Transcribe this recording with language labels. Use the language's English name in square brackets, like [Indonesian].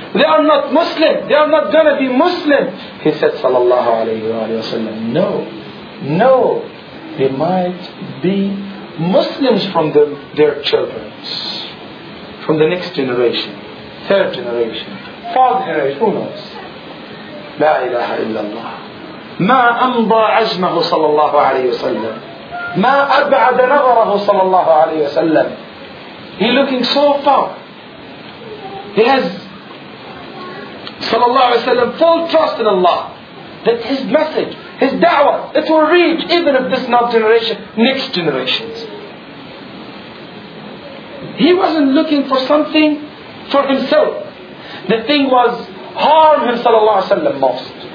[English] They are not Muslim. They are not going to be Muslim. He said, sallallahu alayhi wa sallam, no. No. They might be Muslims from their children, from the next generation, third generation, fourth generation, who knows? [Arabic] لا إله إلا الله ما أمضى عزمه صلى الله عليه وسلم ما أبعد نظره صلى الله عليه وسلم. [English] He looking so far. He has [Arabic] صلى الله عليه وسلم [English] full trust in Allah that his message, his da'wah, it will reach even if this not generation, next generations. He wasn't looking for something for himself. The thing was harm him, sallallahu alayhi wa sallam, most.